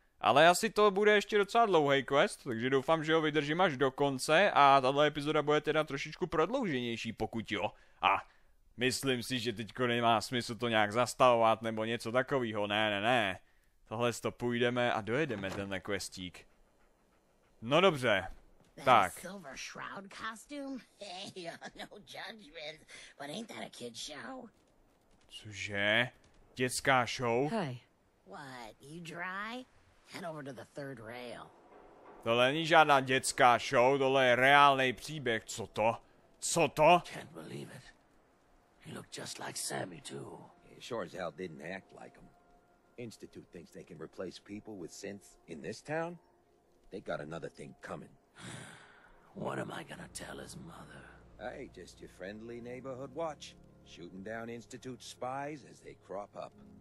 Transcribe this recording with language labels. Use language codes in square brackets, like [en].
[cs] Ale asi to bude ještě docela dlouhý quest, takže doufám, že ho vydržím až do konce a tahle epizoda bude teda trošičku prodlouženější, pokud jo. A myslím si, že teďko nemá smysl to nějak zastavovat nebo něco takového. Ne, ne, ne. Tohle to půjdeme a dojedeme tenhle questík. No dobře. Tak. Silver shroud costume? [en] Hey, no judgment, but ain't that a kid show? [cs] Cože? Dětská show? [en] Hey. What? You dry? Head over to the third rail. [cs] Tohle není žádná dětská show, tohle je reálný příběh. Co to? Co to? [en] Can't believe it. He looked just like Sammy too. Yeah, sure as hell didn't act like him. Institute thinks they can replace people with synths in this town? They got another thing coming. What am I gonna tell his mother? Hey, just your friendly neighborhood watch. Shooting down Institute spies as they crop up.